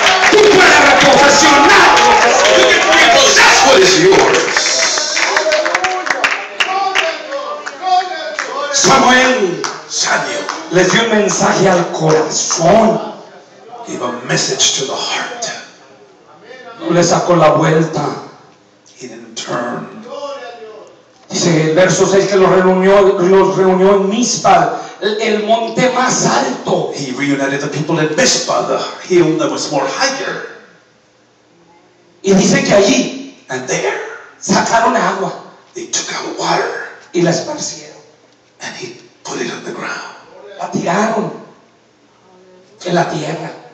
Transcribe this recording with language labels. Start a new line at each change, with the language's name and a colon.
Spanish: tú puedes reposicionar.
English: You can repossess what is yours.
Spanish: Samuel le dio un mensaje al corazón.
English: Gave a message to the heart.
Spanish: No le sacó la vuelta.
English: He didn't turn.
Spanish: Dice el verso 6 que los reunió en Mispa, el monte más alto.
English: He reunited the people at Mispa, the hill that was more higher.
Spanish: Y dice que allí,
English: and there,
Spanish: sacaron agua.
English: They took out water.
Spanish: Y la esparcieron.
English: And he put it on the ground.
Spanish: La tiraron en la tierra.